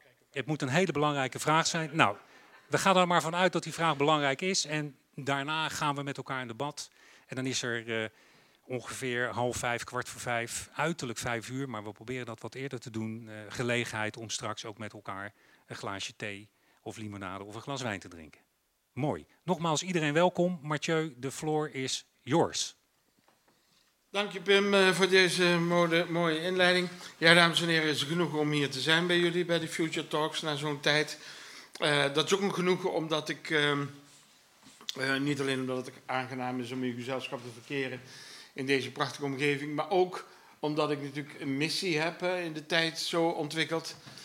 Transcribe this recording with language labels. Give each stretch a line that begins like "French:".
Dutch: Het moet een hele belangrijke vraag zijn. Nou, we gaan er maar vanuit dat die vraag belangrijk is. En daarna gaan we met elkaar in debat. En dan is er ongeveer 4:30, 4:45, uiterlijk 5:00. Maar we proberen dat wat eerder te doen. Gelegenheid om straks ook met elkaar een glaasje thee of limonade of een glas wijn te drinken. Mooi. Nogmaals, iedereen welkom.
English: Mathieu, the floor is yours.
Dutch: Dank je, Pim, voor deze mooie inleiding. Ja, dames en heren, is het genoeg om hier te zijn bij jullie, bij de Future Talks, na zo'n tijd. Dat is ook een genoegen, omdat ik, niet alleen omdat het aangenaam is om in gezelschap te verkeren in deze prachtige omgeving, maar ook omdat ik natuurlijk een missie heb in de tijd zo ontwikkeld.